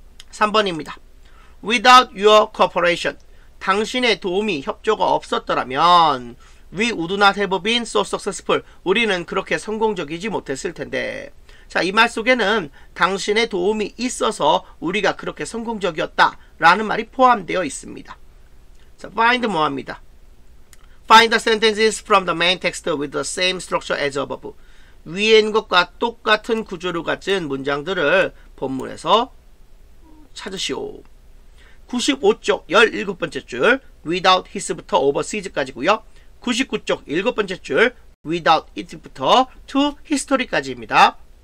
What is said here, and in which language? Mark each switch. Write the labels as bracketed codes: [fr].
[ko] 3번입니다. [en] Without your cooperation. [ko] 당신의 도움이 협조가 없었더라면 [en] We would not have been so successful. [ko] 우리는 그렇게 성공적이지 못했을 텐데. 자, 이 말 속에는 당신의 도움이 있어서 우리가 그렇게 성공적이었다 라는 말이 포함되어 있습니다. 자, find 뭐합니다. [en] Find the sentences from the main text with the same structure as above. [ko] 위에 있는 것과 똑같은 구조를 가진 문장들을 본문에서 찾으시오. 95쪽 17번째 줄 without his부터 overseas까지고요. 99쪽 7번째 줄 without it부터 to history까지입니다.